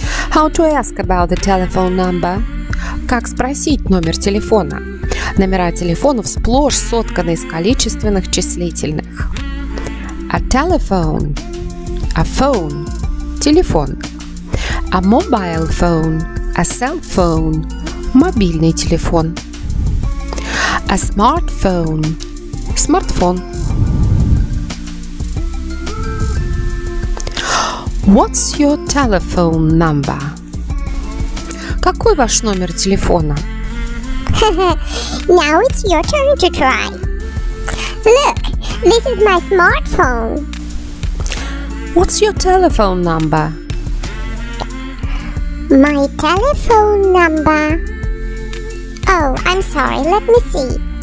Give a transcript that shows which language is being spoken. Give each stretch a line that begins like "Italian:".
English: How to ask about the telephone number?
Russian: Как спросить номер телефона? Номера телефонов сплошь сотканы из количественных числительных.
English: A telephone. A phone. Телефон. A mobile phone. A cell phone.
Russian: Мобильный телефон.
English: A smartphone. Смартфон. What's your telephone number?
Russian: Какой ваш номер телефона?
English: Now it's your turn to try. Look, this is my smartphone. What's your telephone number? My telephone number. Oh, I'm sorry, let me see.